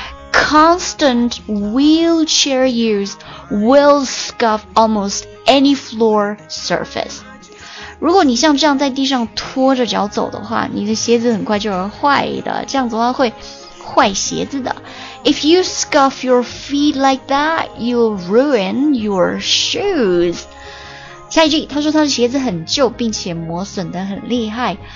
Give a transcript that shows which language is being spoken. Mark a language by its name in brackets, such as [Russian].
[English] Constant wheelchair use will scuff almost any floor surface. [Chinese] 如果你像这样在地上拖着脚走的话，你的鞋子很快就会坏的，这样子的话会坏鞋子的。 [English] If you scuff your feet like that, you'll ruin your shoes. [Chinese] 下一句，他说他的鞋子很旧，并且磨损得很厉害。